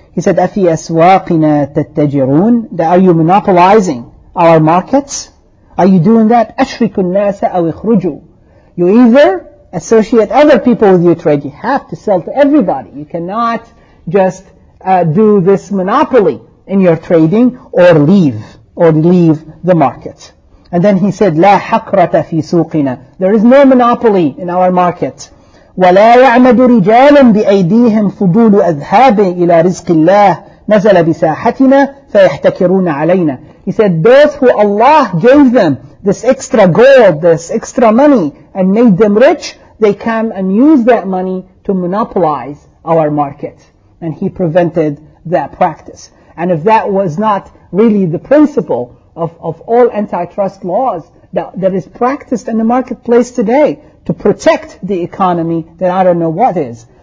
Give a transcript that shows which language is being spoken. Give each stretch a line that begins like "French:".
English: He said,
Arabic: أَفِي أَسْوَاقِنَا تَتَّجِرُونَ.
English: That, are you monopolizing our markets? Are you doing that?
Arabic: أَشْرِكُ النَّاسَ أَوْ اِخْرُجُوا.
English: You either associate other people with your trade. You have to sell to everybody. You cannot just do this monopoly in your trading or leave the market. And then he said,
Arabic: لا حقرة في سوقنا.
English: There is no monopoly in our market.
Arabic: ولا يعمد رجال بأيديهم فضول أذهاب إلى رزق الله نزل بساحتنا فيحتكرون علينا.
English: He said, those who Allah gave them this extra gold, this extra money, and made them rich, they come and use that money to monopolize our market. And he prevented that practice. And if that was not really the principle of all antitrust laws that is practiced in the marketplace today to protect the economy, then I don't know what is.